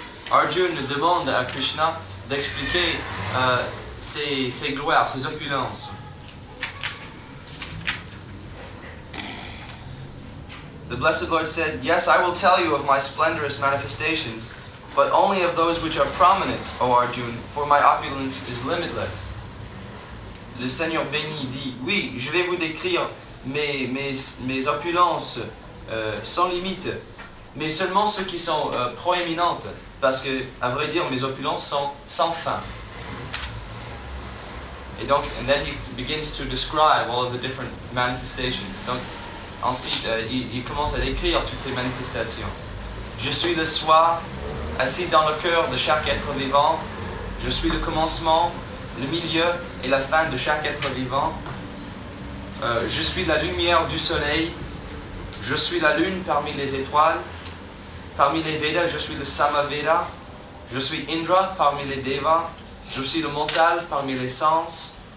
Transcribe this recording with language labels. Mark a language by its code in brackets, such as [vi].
[fr] Arjuna demande à Krishna d'expliquer ses gloires, ses opulences. [en] The Blessed Lord said, yes, I will tell you of my splendorous manifestations, but only of those which are prominent, O Arjuna, for my opulence is limitless. [fr] Le Seigneur béni dit, oui, je vais vous décrire mes opulences sans limite, mais seulement ceux qui sont proéminentes, parce que, à vrai dire, mes opulences sont sans fin. Et donc, [en] and then he begins to describe all of the different manifestations. [fr] Donc, ensuite, il commence à décrire toutes ces manifestations. Je suis le soi, assis dans le cœur de chaque être vivant. Je suis le commencement, le milieu et la fin de chaque être vivant. Je suis la lumière du soleil, je suis la lune parmi les étoiles, parmi les Vedas, je suis le Samaveda, je suis Indra parmi les Devas, je suis le mental parmi les sens,